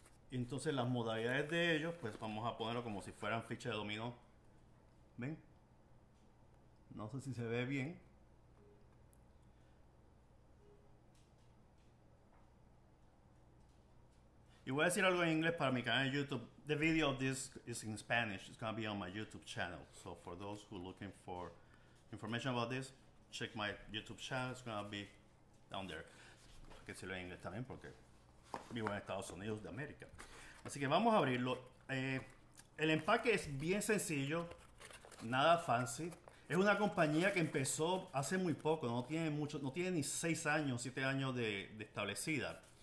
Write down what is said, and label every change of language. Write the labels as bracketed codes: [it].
[es] Y entonces las modalidades de ellos, pues vamos a ponerlo como si fueran fichas de dominó. ¿Ven? No sé si se ve bien. Y voy a decir algo en inglés para mi canal de YouTube. [en] The video of this is in Spanish. It's going to be on my YouTube channel. So for those who are looking for information about this, check my YouTube channel. It's going to be down there. [es] Que si lo en inglés también, porque vivo en Estados Unidos de América. Así que vamos a abrirlo. El empaque es bien sencillo. Nada fancy. Es una compañía que empezó hace muy poco. No tiene ni 6 años, 7 años de establecida.